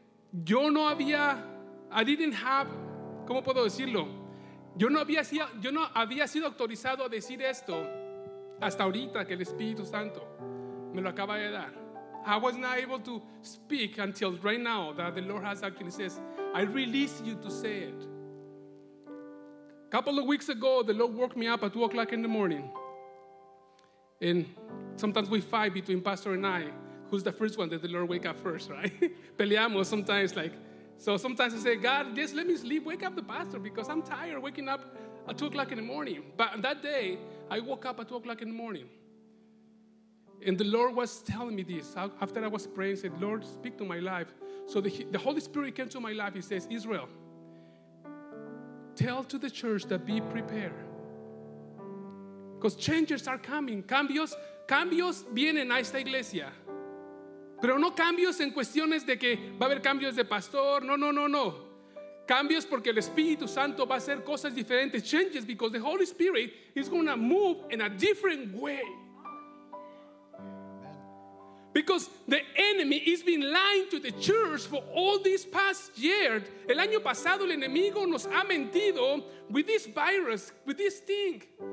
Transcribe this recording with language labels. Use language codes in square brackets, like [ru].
[es] Yo no había, [en] I didn't have, [es] ¿cómo puedo decirlo? Yo no había sido autorizado a decir esto hasta ahorita que el Espíritu Santo me lo acaba de dar. [en] I was not able to speak until right now that the Lord has actually says, I release you to say it. A couple of weeks ago, the Lord woke me up at 2 o'clock in the morning. And sometimes we fight between pastor and I. Who's the first one that the Lord wake up first, right? Peleamos sometimes, like. So sometimes I say, God, just let me sleep. Wake up the pastor because I'm tired waking up at 2 o'clock in the morning. But that day, I woke up at 2 o'clock in the morning. And the Lord was telling me this. After I was praying, said, Lord, speak to my life. So the Holy Spirit came to my life. He says, Israel, tell to the church that be prepared. Because changes are coming. [es] Cambios vienen a esta iglesia. Pero no cambios en cuestiones de que va a haber cambios de pastor. No. Cambios porque el Espíritu Santo va a hacer cosas diferentes. [en] Changes because the Holy Spirit is going to move in a different way. Because the enemy has been lying to the church for all this past year. [es] El año pasado el enemigo nos ha mentido [en] with this virus, with this thing.